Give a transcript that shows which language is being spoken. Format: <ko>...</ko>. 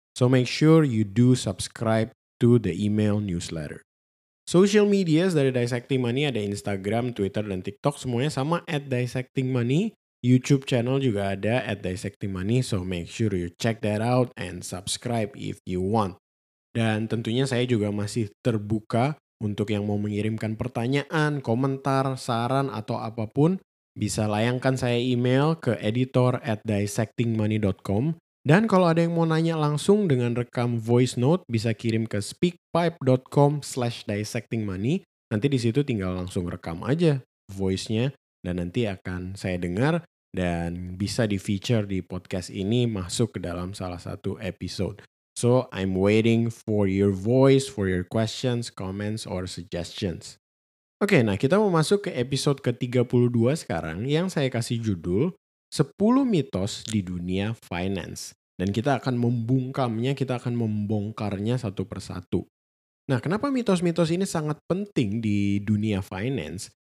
<en>So make sure you do subscribe to the email newsletter.</en> <id>Social media dari Dissecting Money ada Instagram, Twitter, dan TikTok. Semuanya sama, at Dissecting Money. YouTube channel juga ada, at Dissecting Money.</id> <en>So make sure you check that out and subscribe if you want.</en> <id>Dan tentunya saya juga masih terbuka untuk yang mau mengirimkan pertanyaan, komentar, saran, atau apapun. Bisa layangkan saya email ke editor@dissectingmoney.com. Dan kalau ada yang mau nanya langsung dengan rekam voice note, bisa kirim ke speakpipe.com/dissectingmoney. Nanti di situ tinggal langsung rekam aja voice-nya dan nanti akan saya dengar dan bisa di-feature di podcast ini masuk ke dalam salah satu episode.</id> <en>So, I'm waiting for your voice, for your questions, comments, or suggestions.</en> <id>Oke, nah kita mau masuk ke episode ke-32 sekarang yang saya kasih judul 10 mitos di dunia finance. Dan kita akan membungkamnya, kita akan membongkarnya satu persatu. Nah, kenapa mitos-mitos ini sangat penting di dunia finance?</id>